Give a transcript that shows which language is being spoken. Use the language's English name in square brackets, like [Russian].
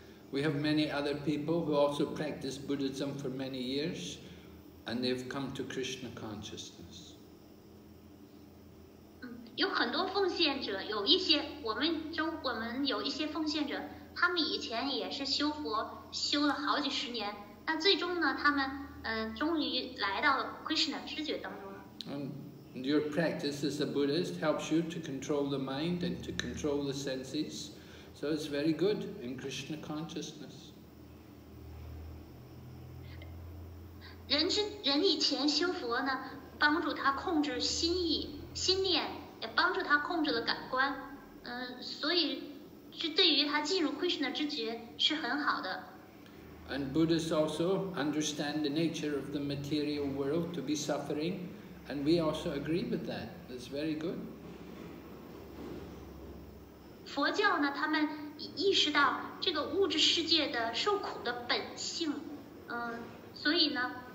[English] We have many other people who also practice Buddhism for many years, and they've come to Krishna consciousness. [Chinese] 有很多奉献者，有一些我们有一些奉献者，他们以前也是修佛修了好几十年，但最终呢，他们终于来到了 Krishna 知觉当中了。 [English] And your practice as a Buddhist helps you to control the mind and to control the senses. So it's very good in Krishna consciousness. [Chinese] 人以前修佛呢，帮助他控制心意、心念，也帮助他控制了感官。所以这对于他进入 Krishna 知觉是很好的。 [English] And Buddhists also understand the nature of the material world to be suffering, and we also agree with that. That's very good. [Chinese] 佛教呢，他们意识到这个物质世界的受苦的本性，所以呢，